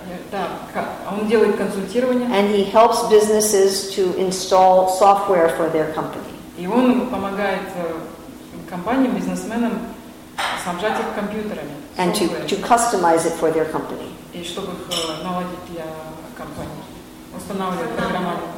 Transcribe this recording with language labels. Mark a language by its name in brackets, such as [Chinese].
[Russian] Да, он делает консультирование. [English] And he helps businesses to install software for their company. [Russian] И он помогает компаниям, бизнесменам снабжать их компьютерами. [English] And to customize it for their company. [Russian] И чтобы их наладить для компании. Устанавливать программу.